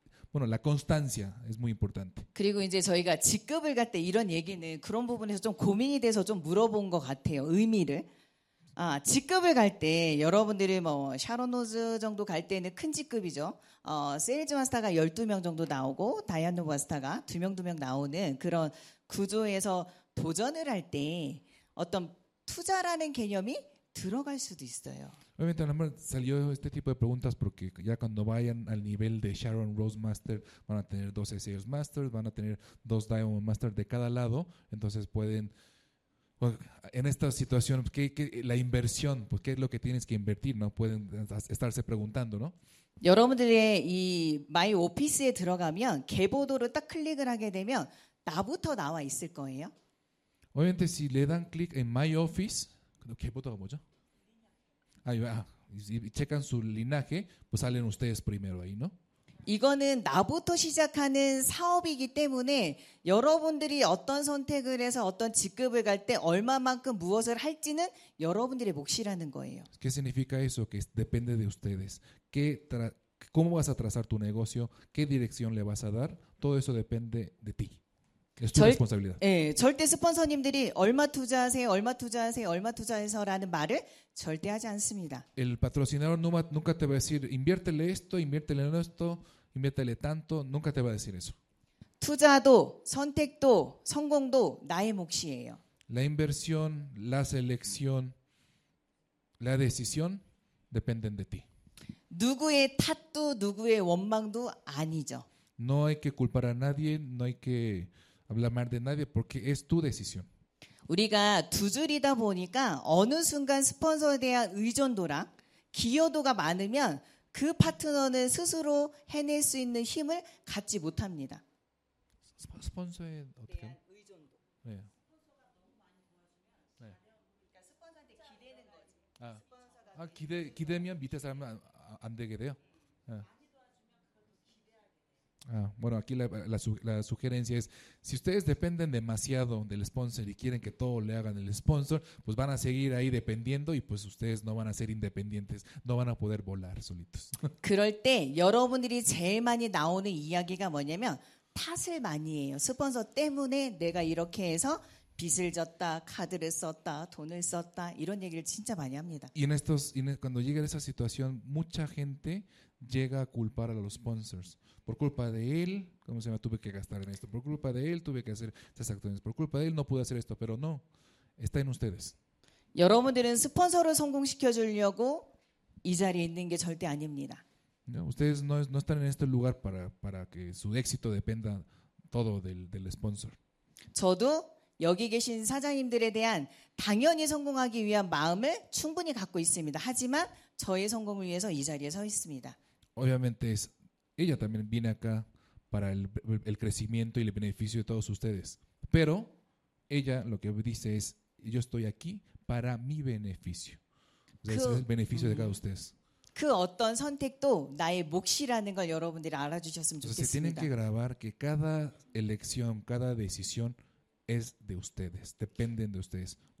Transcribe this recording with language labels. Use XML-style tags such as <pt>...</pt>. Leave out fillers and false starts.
<es>Bueno, la constancia es muy importante.</es> <ko>그리고 이제 저희가 직급을 갈 때 이런 얘기는 그런 부분에서 좀 고민이 돼서 좀 물어본 것 같아요. 의미를. 아, 직급을 갈 때 여러분들이 뭐 샤론노즈 정도 갈 때는 큰 직급이죠. 세일즈 마스터가 12명 정도 나오고 다이아노 마스터가 2명 나오는 그런 구조에서 도전을 할 때 어떤 투자라는 개념이 들어갈 수도 있어요.</ko> <es>Obviamente, a lo mejor salió este tipo de preguntas porque ya cuando vayan al nivel de Sharon Rose Master van a tener 12 Sales Masters, van a tener 2 Diamond Masters de cada lado. Entonces pueden, en esta situación, ¿qué, la inversión, pues, ¿qué es lo que tienes que invertir? ¿No? Pueden estarse preguntando, ¿no?</es> <ko>여러분들의 이 My Office에 들어가면 계보도를 딱 클릭을 하게 되면 나부터 나와 있을 거예요.</ko> <es>Obviamente, si le dan clic en My Office,</es> <ko>계보도가 뭐죠?</ko> <es>Ahí va, y checan su linaje, pues salen ustedes primero ahí, ¿no?</es> <ko>이거는 나부터 시작하는 사업이기 때문에 여러분들이 어떤 선택을 해서 어떤 직급을 갈 때 얼마만큼 무엇을 할지는 여러분들의 몫이라는 거예요.</ko> <es>¿Qué significa eso? Que depende de ustedes. ¿Cómo vas a trazar tu negocio? ¿Qué dirección le vas a dar? Todo eso depende de ti. Es tu responsabilidad.</es> <ko>예, 절대 스폰서님들이 얼마 투자하세요, 얼마 투자하세요, 얼마 투자해서라는 말을 절대 하지 않습니다.</ko> <es>El patrocinador nunca te va a decir inviértele esto, inviértele en esto, inviértele tanto. Nunca te va a decir eso.</es> <ko>투자도, 선택도, 성공도 나의 몫이에요.</ko> <es>La inversión, la selección, la decisión dependen de ti.</es> <ko>누구의 탓도 누구의 원망도 아니죠.</ko> <es>No hay que culpar a nadie, no hay que hablar mal de nadie porque es tu decisión.</es> <ko>우리가 두 줄이다 보니까 어느 순간 스폰서에 대한 의존도랑 기여도가 많으면 그 파트너는 스스로 해낼 수 있는 힘을 갖지 못합니다. 스폰서에 어떻게? 대한 의존도. 네. 스폰서가 너무 많이 도와주면 네. 그러니까 스폰서한테 기대는 거지. 아. 스폰서가 아, 기대면 밑에 사람은 안 되게 돼요. 네.</ko> <es>Ah, bueno, aquí la sugerencia es, si ustedes dependen demasiado del sponsor y quieren que todo le hagan el sponsor, pues van a seguir ahí dependiendo y pues ustedes no van a ser independientes, no van a poder volar solitos.</es> <ko>그럴 때 여러분들이 제일 많이 나오는 이야기가 뭐냐면 탓을 많이 해요. 스폰서 때문에 내가 이렇게 해서 빚을 졌다, 카드를 썼다, 돈을 썼다 이런 얘기를 진짜 많이 합니다.</ko> <es>Y en estos, cuando llega esa situación, mucha gente llega a culpar a los sponsors. Por culpa de él, ¿cómo se llama? Tuve que gastar en esto. Por culpa de él, tuve que hacer esas acciones. Por culpa de él, no pude hacer esto. Pero no, está en ustedes.</es> <ko>여러분들은 스폰서를 성공시켜 주려고 이 자리에 있는 게 절대 아닙니다.</ko> <es>¿No? Ustedes no están en este lugar para que su éxito dependa todo del sponsor.</es> <ko>저도 여기 계신 사장님들에 대한 당연히 성공하기 위한 마음을 충분히 갖고 있습니다. 하지만 저의 성공을 위해서 이 자리에 서 있습니다.</ko> <es>Obviamente ella también viene acá para el crecimiento y el beneficio de todos ustedes. Pero ella lo que dice es yo estoy aquí para mi beneficio. Es el beneficio de cada ustedes.</es> <ko>그 어떤 선택도 나의 몫이라는 걸 여러분들이 알아주셨으면 좋겠습니다.</ko> <es>Se tienen que grabar que cada elección, cada decisión es de ustedes, dependen de ustedes.</es>